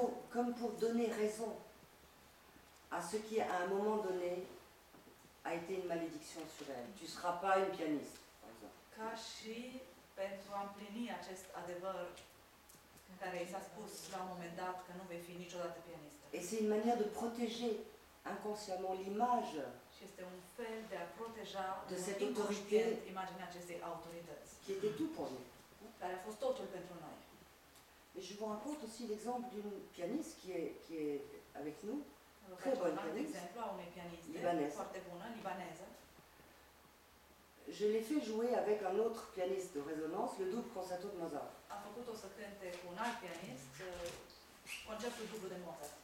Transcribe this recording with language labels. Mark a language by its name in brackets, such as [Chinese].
[French] Comme pour donner raison à ce qui, à un moment donné, a été une malédiction sur elle. Tu ne seras pas une pianiste, par exemple. [Romanian] Ca și pentru a împlini acest adevăr care i s-a spus la un moment dat că nu vei fi niciodată pianistă. [French] Et c'est une manière de protéger inconsciemment l'image. [Romanian] Și este un fel de a proteja [French] de cette autorité, [Romanian] imaginea acestei autorități. [French] Qui était tout pour nous. [Romanian] Care a fost totul pentru noi. [French] Mais je vous raconte aussi l'exemple d'une pianiste qui est avec nous, très bonne pianiste, libanaise. [Romanian] Foarte bună, libaneză. [French] Je l'ai fait jouer avec un autre pianiste de résonance, le double concerto de Mozart. [Romanian] A făcut-o să cânte cu un alt pianist, concertul dublu de Mozart.